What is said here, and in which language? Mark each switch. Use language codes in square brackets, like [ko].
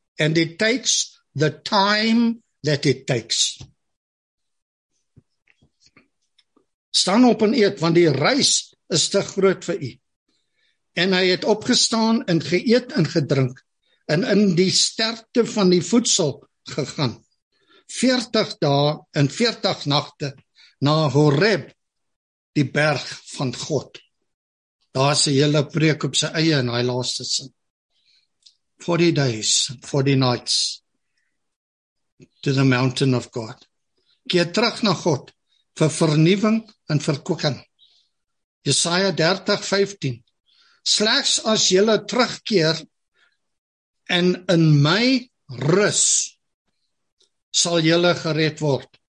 [en] And it takes the time that it takes. [af] Staan op en eet, want die reis is te groot vir u. En hy het opgestaan en geëet en gedrink en in die sterkte van die voedsel gegaan. 40 dae en 40 nagte na Horeb, die berg van God. Daar is die hele preek op sy eie in hy laaste sin. [en] 40 days, 40 nights to the mountain of God. [af] Keer terug na God vir vernieuwing en verkoeking. Jesaja 30, 15. Slegs as jylle terugkeer en in my rus, sal jylle gered word.